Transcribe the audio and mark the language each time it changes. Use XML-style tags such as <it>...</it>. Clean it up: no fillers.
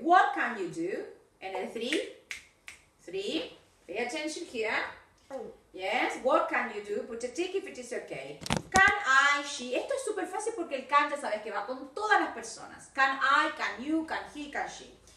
<en>What can you do? And then three. Pay attention here. Yes, what can you do? Put a tick if it is okay. Can I, she?</en> <es>Esto es súper fácil porque el can ya sabes que va con todas las personas.</es> <en>Can I, can you, can he, can she.</en>